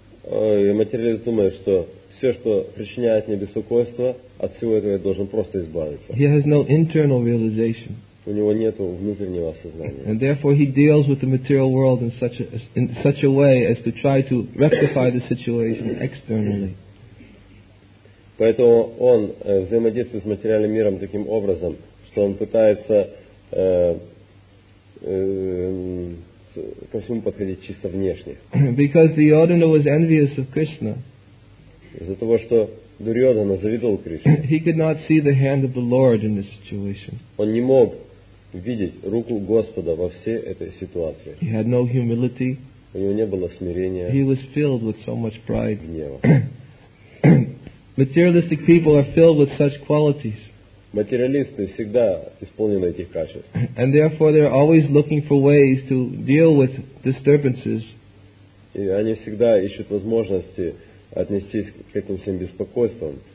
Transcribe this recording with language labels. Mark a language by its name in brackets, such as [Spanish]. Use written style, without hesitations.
[Russian] Материалист думает, что все, что причиняет мне беспокойство, от всего этого я должен просто избавиться. [English] He has no internal realization. [Russian] У него нет внутреннего осознания. [English] And therefore he deals with the material world in such a way as to try to rectify the situation externally. [Russian] Поэтому он взаимодействует с материальным миром таким образом, что он пытается ко всему подходить чисто внешне. [English] Because Duryodhana was envious of Krishna. [Russian] Из-за того, что Дурьодхана завидовал Кришне. [English] He could not see the hand of the Lord in this situation. [Russian] Он не мог видеть руку Господа во всей этой ситуации. [English] He had no humility. [Russian] У него не было смирения. [English] He was filled with so much pride. [Russian] Гнева. [English] Materialistic people are filled with such qualities. [Russian] Материалисты всегда исполнены этих качеств. [English] And therefore they're always looking for ways to deal with disturbances. [Russian] И они всегда ищут возможности отнестись к этим всем беспокойствам.